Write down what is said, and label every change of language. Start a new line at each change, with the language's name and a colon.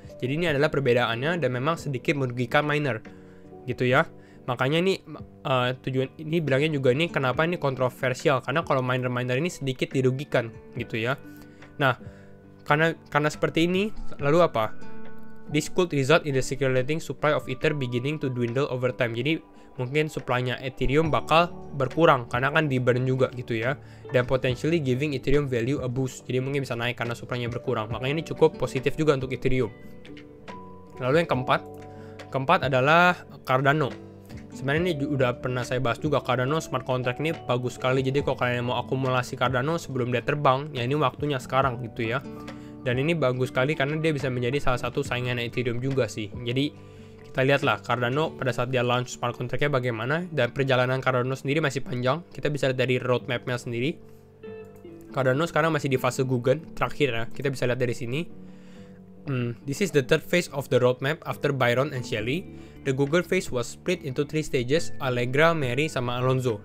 Indonesian: Jadi ini adalah perbedaannya dan memang sedikit merugikan miner gitu ya. Makanya ini tujuan ini bilangnya juga ini kenapa ini kontroversial, karena kalau miner-miner ini sedikit dirugikan gitu ya. Nah, karena seperti ini, lalu apa?
English: This could result in the circulating supply of Ether beginning to dwindle over time.
Indonesian: Jadi mungkin supply-nya Ethereum bakal berkurang karena kan di-burn juga gitu ya. Dan
English: potentially giving Ethereum value a boost.
Indonesian: Jadi mungkin bisa naik karena supply-nya berkurang. Makanya ini cukup positif juga untuk Ethereum. Lalu yang keempat. Keempat adalah Cardano. Sebenarnya ini udah pernah saya bahas juga. Cardano smart contract ini bagus sekali. Jadi kalau kalian mau akumulasi Cardano sebelum dia terbang, ya ini waktunya sekarang gitu ya. Dan ini bagus sekali karena dia bisa menjadi salah satu saingannya Ethereum juga sih. Jadi kita lihatlah Cardano pada saat dia launch smart contract-nya bagaimana, dan perjalanan Cardano sendiri masih panjang. Kita bisa lihat dari roadmap-nya sendiri. Cardano sekarang masih di fase Guggen terakhir ya. Kita bisa lihat dari sini.
English: This is the third phase of the roadmap after Byron and Shelley. The Guggen phase was split into three stages, Allegra, Mary,
Indonesian: sama
English: Alonzo.